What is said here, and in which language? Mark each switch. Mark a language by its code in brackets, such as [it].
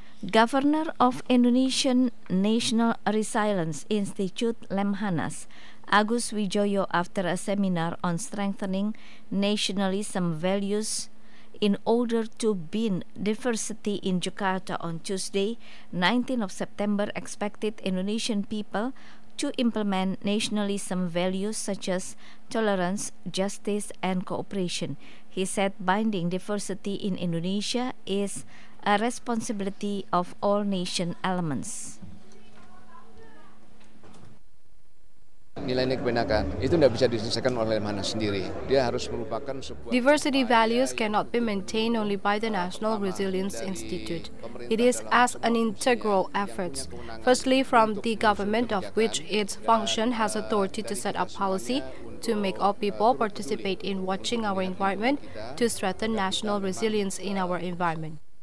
[en] Governor of Indonesian National Resilience Institute, Lemhanas, Agus Wijoyo, after a seminar on strengthening nationalism values in order to bin diversity in Jakarta on Tuesday, 19 of September, expected Indonesian people to implement nationalism values such as tolerance, justice, and cooperation. He said binding diversity in Indonesia is a responsibility of all nation elements. [id] Nilai-nilai kebinekaan itu tidak bisa diselesaikan oleh mana sendiri. Dia harus merupakan sebuah [en] diversity values cannot be maintained only by the National Resilience Institute. It is as an integral effort. Firstly, from the government of which its function has authority to set up policy, to make all people participate in watching our environment, to strengthen national resilience in our environment.